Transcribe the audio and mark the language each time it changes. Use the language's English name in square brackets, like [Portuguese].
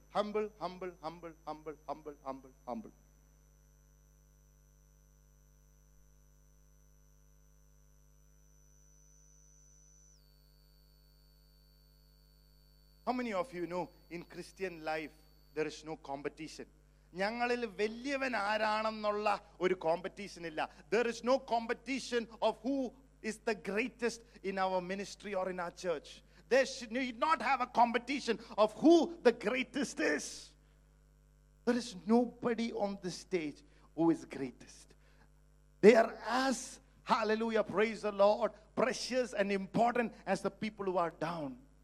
[English] Humble, humble, humble, humble, humble, humble, humble. How many of you know in Christian life there is no competition? [Malayalam] ഞങ്ങളിൽ വലിയവനാരാണെന്നുള്ള ഒരു competition ഇല്ല. [English] There is no competition of who is the greatest in our ministry or in our church. They should not have a competition of who the greatest is. There is nobody on the stage who is greatest. They are as, hallelujah, praise the Lord, precious and important as the people who are down.